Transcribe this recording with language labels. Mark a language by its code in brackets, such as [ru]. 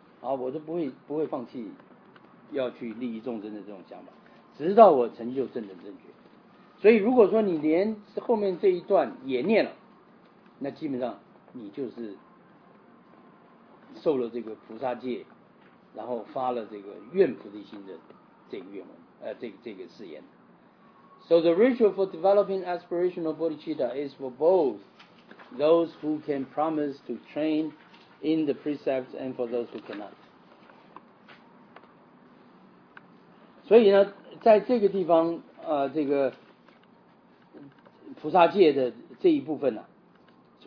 [zh] 好，我都不会放弃要去利益众生的这种想法，直到我成就正等正觉。所以，如果说你连后面这一段也念了，那基本上你就是受了这个菩萨戒，然后发了这个愿菩提心的这个愿文，这个誓言。 [en] So the ritual for developing aspirational bodhicitta is for both. Those who can promise to train in the precepts and for those who cannot. [zh] 所以呢，在这个地方，这个菩萨戒的这一部分呢、啊，所